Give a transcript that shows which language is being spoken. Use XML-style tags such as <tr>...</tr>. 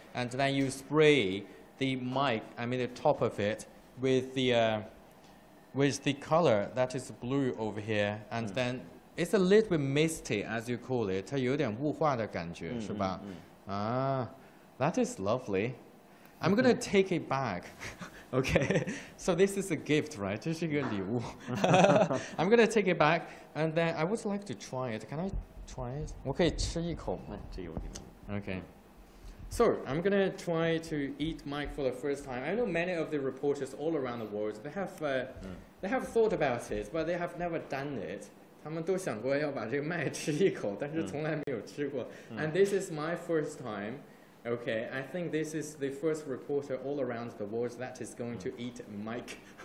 <en>And then you spray the mic, I mean the top of it, with the color that is blue over here, and then it's a little bit misty, as you call it.</en> <zh>它有点雾化的感觉，是吧？</zh> <en>That is lovely. I'm gonna take it back. Okay. So this is a gift, right?</en> <zh>这是一个礼物.</zh> <en>I'm gonna take it back, and then I would like to try it. Can I try it?</en> <zh>我可以吃一口吗？这有点。</zh> <en>Okay. So, I'm gonna try to eat mic for the first time. I know many of the reporters all around the world, they have thought about it, but they have never done it.</en> <zh>他们都想过要把这个麦吃一口,但是从来没有吃过.</zh> <en>And this is my first time. Okay, I think this is the first reporter all around the world that is going to eat mic.</en>